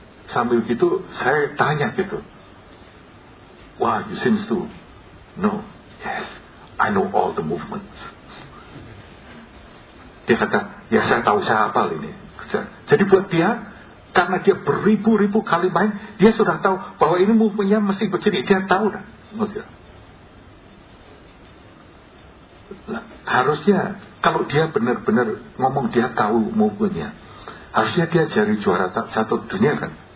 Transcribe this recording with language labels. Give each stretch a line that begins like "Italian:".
Indonesian: Sambil itu saya tanya gitu.
English: Wah, you seems to know. Yes, I know all the movements.
Indonesian: Dia kata, ya saya tahu, saya hafal ini. Jadi buat dia, karena dia beribu-ribu kali main, dia sudah tahu bahwa ini movement-nya mesti begini. Dia tahu dah. Nah, harusnya, kalau dia benar-benar ngomong dia tahu movement-nya, harusnya dia jadi juara satu dunia kan?